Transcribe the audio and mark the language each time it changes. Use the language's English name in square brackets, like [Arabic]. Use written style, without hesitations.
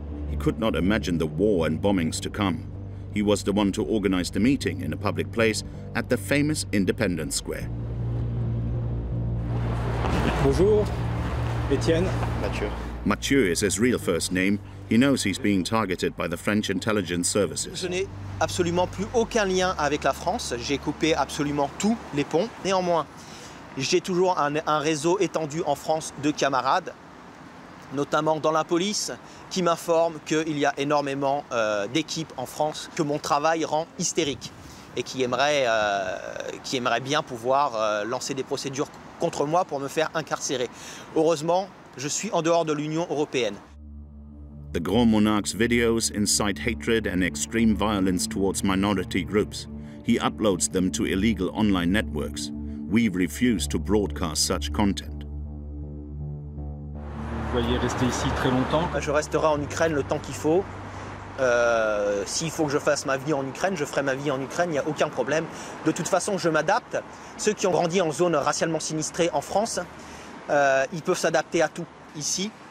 [English] He could not imagine the war and bombings to come. He was the one to organize the meeting in a public place at the famous Independence Square. [French] Bonjour, Etienne. Mathieu. [English] Mathieu is his real first name. He knows he's being targeted by the French intelligence services. [French] Je n'ai absolument plus aucun lien avec la France. J'ai coupé absolument tous les ponts. Néanmoins, j'ai toujours un réseau étendu en France de camarades, notamment dans la police, qui m'informe qu'il y a énormément d'équipes en France que mon travail rend hystérique et qui aimeraient bien pouvoir lancer des procédures contre moi pour me faire incarcérer. Heureusement, je suis en dehors de l'Union européenne. [English] The Grand Monarch's videos incite hatred and extreme violence towards minority groups. He uploads them to illegal online networks. We refuse to broadcast such content. [French] Vous voyez rester ici très longtemps. Je resterai en Ukraine le temps qu'il faut. S'il faut que je fasse ma vie en Ukraine, je ferai ma vie en Ukraine, il n'y a aucun problème. De toute façon, je m'adapte. Ceux qui ont grandi en zone racialement sinistrée en France, ils peuvent s'adapter à tout ici.